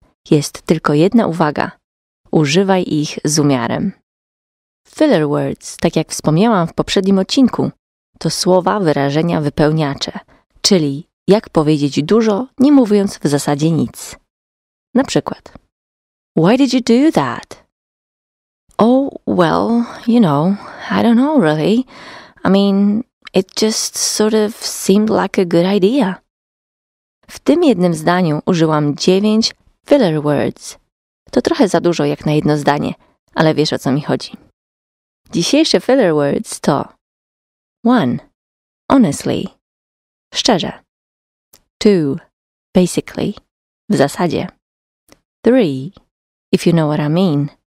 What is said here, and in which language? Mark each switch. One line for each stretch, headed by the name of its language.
Polish: Jest tylko jedna uwaga. Używaj ich z umiarem. Filler words, tak jak wspomniałam w poprzednim odcinku, to słowa, wyrażenia, wypełniacze, czyli jak powiedzieć dużo, nie mówiąc w zasadzie nic. Na przykład.
English: Why did you do that? Oh, well, you know, I don't know really. I mean, it just sort of seemed like a good idea.
Polish: W tym jednym zdaniu użyłam 9 filler words. To trochę za dużo jak na jedno zdanie, ale wiesz o co mi chodzi. Dzisiejsze
English: filler words to 1. Honestly.
Polish: Szczerze.
English: 2. Basically.
Polish: W zasadzie.
English: 3. If you know what I mean.